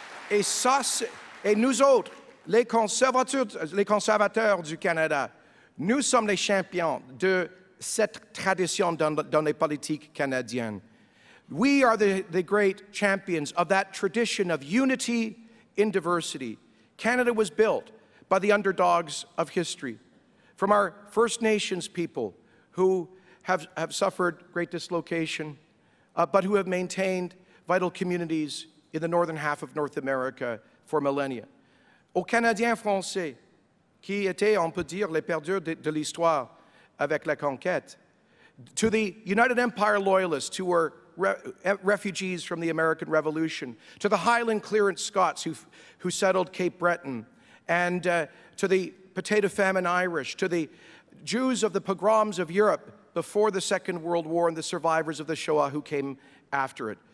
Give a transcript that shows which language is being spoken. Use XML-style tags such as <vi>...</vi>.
<fr>Et ça, et nous autres, les conservateurs du Canada, nous sommes les champions de cette tradition dans les politiques canadiennes.</fr> <en>We are the great champions of that tradition of unity in diversity. Canada was built by the underdogs of history, from our First Nations people who have suffered great dislocation, but who have maintained vital communities in the northern half of North America for millennia.</en> <fr>Aux Canadiens français, qui étaient, on peut dire, les perdus de l'histoire avec la conquête.</fr> <en>To the United Empire loyalists who were refugees from the American Revolution. To the Highland Clearance Scots who settled Cape Breton. And to the potato famine Irish. To the Jews of the pogroms of Europe before the Second World War and the survivors of the Shoah who came after it.</en>